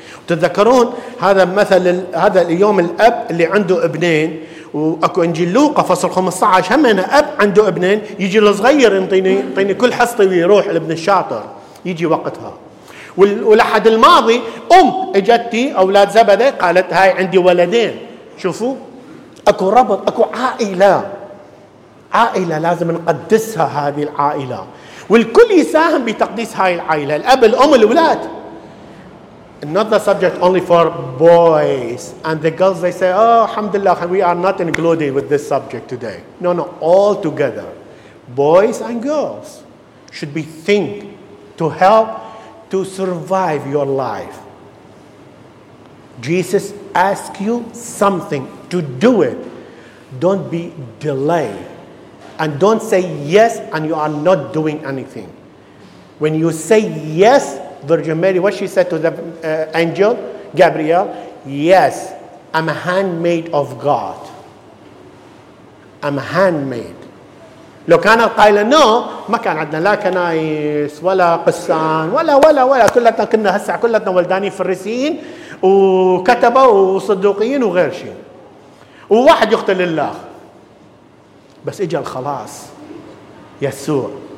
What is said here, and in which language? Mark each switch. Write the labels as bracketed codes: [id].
[ar] تذكرون هذا مثل هذا اليوم الأب اللي عنده ابنين وأكو إنجيل لوقا فصل 15 هم أنا أب عنده ابنين يجي الصغير ينطيني كل حصتي ويروح لابن الشاطر يجي وقتها والأحد الماضي أم إجتي أولاد زبدي قالت هاي عندي ولدين شوفوا أكو ربط أكو عائلة عائلة لازم نقدسها هذه العائلة والكل يساهم بتقديس هاي العائلة الأب الأم الأولاد [en] Not the subject only for boys. And the girls, they say, oh, alhamdulillah, we are not included with this subject today. No, no, all together. Boys and girls should be think to help to survive your life. Jesus asks you something to do it. Don't be delayed. And don't say yes and you are not doing anything. When you say yes, Virgin Mary, what she said to the angel, Gabriel, yes, I'm a handmaid of God. I'm a handmaid. [ar] لو كان القائل no, ما كان عندنا لا كنائس ولا قسان ولا ولا ولا كلتنا كنا هسع كلتنا ولداني فريسيين وكتبة وصدوقيين وغير شيء. وواحد يقتل الله. بس إجا الخلاص. يسوع.